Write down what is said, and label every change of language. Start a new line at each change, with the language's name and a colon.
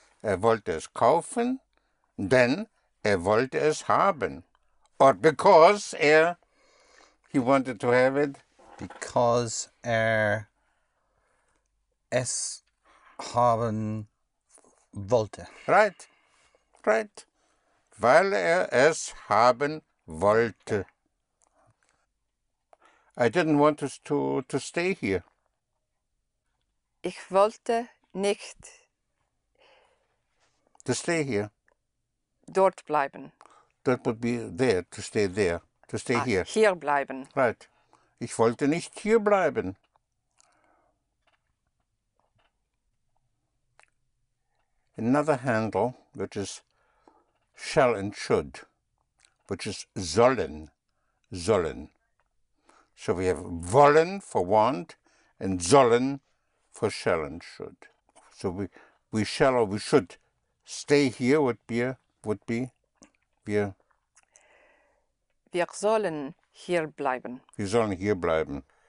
German: Wollte es kaufen, denn wollte es haben.
English: Or because he wanted to have it. Because
German: es haben wollte.
English: Right. Right.
German: Weil es haben wollte.
English: I didn't want us to stay here.
German: Ich wollte nicht
English: to stay here.
German: Dort bleiben.
English: That would be there, to stay there. To stay here.
German: Hier bleiben.
English: Right.
German: Ich wollte nicht hier bleiben.
English: Another handle, which is shall and should, which is sollen, sollen. So we have wollen for want and sollen for shall and should. So we shall or we should stay here would be
German: wir sollen hier bleiben. Wir sollen hier bleiben.